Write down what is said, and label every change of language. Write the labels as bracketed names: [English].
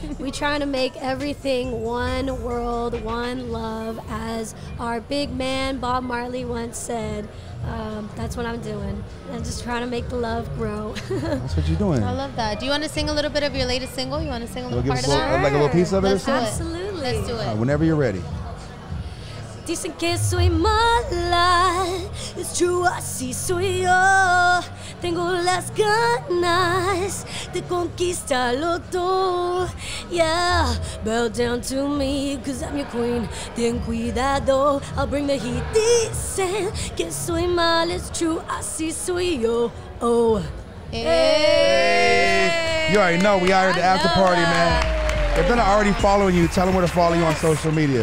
[English] We trying to make everything one world, one love, as our big man Bob Marley once said. That's what I'm doing. I'm just trying to make the love grow. That's what you're doing. I love that. Do you want to sing a little bit of your latest single? You want to sing a little part of that? Sure. Like a little piece of it? Absolutely. Let's do it. Whenever you're ready. [Spanish] Dicen que soy mala, es true, así soy yo. Tengo las ganas de conquistarlo todo. [English] Yeah, bow down to me, cause I'm your queen. Ten cuidado, I'll bring the heat. [Spanish] Dicen que soy mala, es true, así soy yo. Oh, hey. [English] You already know we are at the after party, man. If they're not already following you, tell them where to follow you on social media.